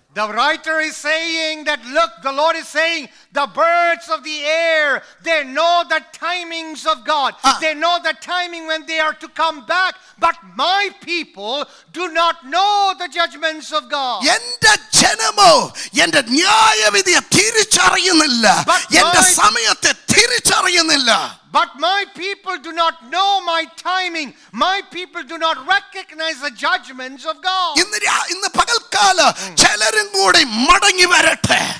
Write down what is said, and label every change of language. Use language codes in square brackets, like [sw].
[en] The writer is saying that, look, the Lord is saying, the birds of the air, they know the timings of God. They know the timing when they are to come back. But my people do not know the judgments of God. [ml] എന്റെ ജനമോ എന്റെ ന്യായവിധിയെ തിരിച്ചറിയുന്നില്ല, എന്റെ സമയത്തെ തിരിച്ചറിയുന്നില്ല. [en] But my people do not know my timing. My people do not recognize the judgments of God. [ml] ഇന്നു പകൽക്കാല ചിലരും കൂടി മടങ്ങി വരട്ടെ.